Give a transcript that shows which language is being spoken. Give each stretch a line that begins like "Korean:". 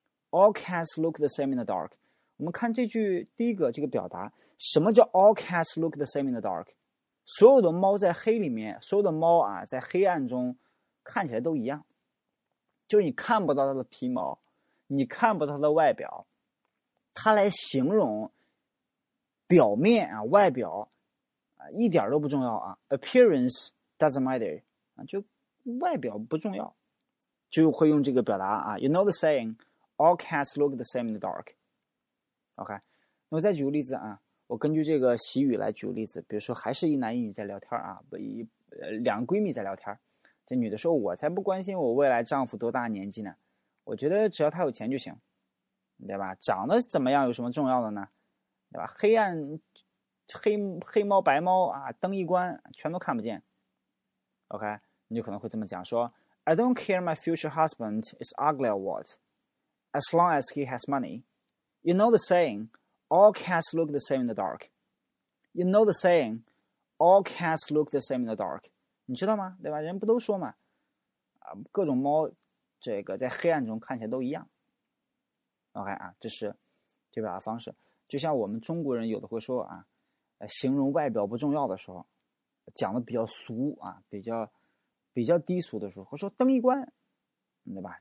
English: All cats look the same in the dark.
Chinese: 我们看这句第一个这个表达，什么叫 all cats look the same in the dark？所有的猫在黑里面，所有的猫啊，在黑暗中看起来都一样，就是你看不到它的皮毛，你看不到它的外表。它来形容表面啊，外表啊，一点都不重要啊 ， appearance doesn't matter 啊，就外表不重要，就会用这个表达啊 ， you know the saying， all cats look the same in the dark。 OK， 那我再举个例子啊，我根据这个习语来举个例子，比如说还是一男一女在聊天啊，两个闺蜜在聊天，这女的说我才不关心我未来丈夫多大年纪呢，我觉得只要他有钱就行，对吧？长得怎么样有什么重要的呢？对吧？黑暗黑猫白猫啊，灯一关全都看不见。
English: OK，你就可能会这么讲说 I don't care my future husband is ugly or what as long as he has money。 You know the saying, all cats look the same in the dark. You know the saying, all cats look the same in the dark.
Chinese: 你知道吗？对吧？人不都说吗？啊，各种猫，这个在黑暗中看起来都一样。 OK 啊，这是这表达方式。就像我们中国人有的会说啊，形容外表不重要的时候，讲的比较俗啊，比较低俗的时候，会说灯一关，对吧？